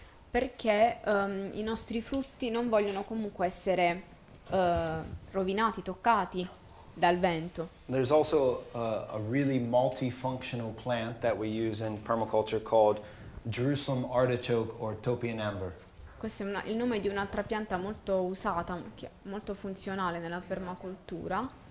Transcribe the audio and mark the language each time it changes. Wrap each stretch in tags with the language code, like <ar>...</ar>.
<it>Perché i nostri frutti non vogliono comunque essere rovinati, toccati dal vento.</it> <en>There's also a really multifunctional plant that we use in permaculture called Jerusalem artichoke or topianamber.</en> <it>Questo è il nome di un'altra pianta molto usata, molto funzionale nella permacultura.</it>